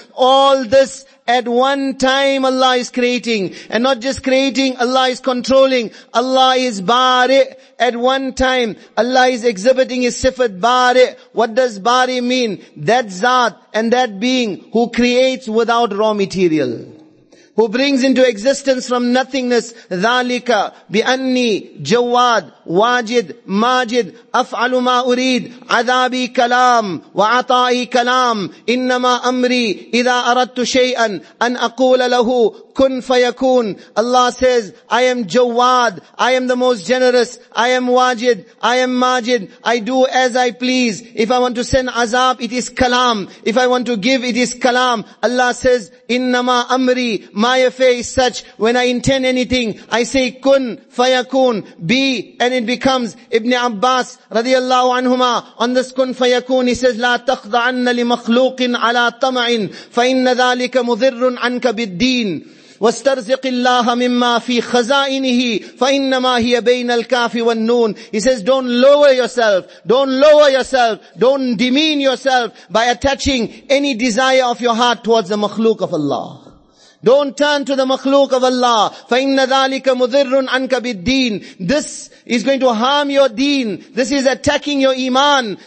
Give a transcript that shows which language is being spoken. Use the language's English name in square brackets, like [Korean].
[English] All this at one time Allah is creating. And not just creating, Allah is controlling. Allah is bari at one time. Allah is exhibiting his sifat bari. What does bari mean? That zat and that being who creates without raw material. Who brings into existence from nothingness, [Arabic] ذَلِكَ بِأَنِّي جَوَّادٍ وَاجِدٍ مَاجِدٍ أَفْعَلُ مَا أُرِيدٍ عَذَابِي كَلَامٍ وَعَطَائِي كَلَامٍ إِنَّمَا أَمْرِي إِذَا أَرَدْتُ شَيْئًا أَنْ أَقُولَ لَهُ كُنْ فَيَكُونَ. [English] Allah says, I am Jawad, I am the most generous, I am Wajid, I am Majid, I do as I please. If I want to send azab, it is kalam. If I want to give, it is kalam. Allah says, [Arabic] إِنَّمَا أَمْرِي, [English] my affair is such, when I intend anything, I say kun fayakun, be, and it becomes. [Arabic] Ibn Abbas radiallahu anhuma, [English] on this kun fayakun, he says, [Arabic] la takhda'anna li makhluqin ala tama'in, fa inna dhalika mudhirrun anka bid-deen. واسترزق الله مما في خزائنه فإنما هي بين الكاف والنون. [English] He says, don't lower yourself, don't lower yourself, don't demean yourself by attaching any desire of your heart towards the makhluq of Allah. Don't turn to the makhluq of Allah. [Arabic] فَإِنَّ ذَٰلِكَ مُذِرٌ عَنْكَ بِالدِّينِ. [English] This is going to harm your deen. This is attacking your iman.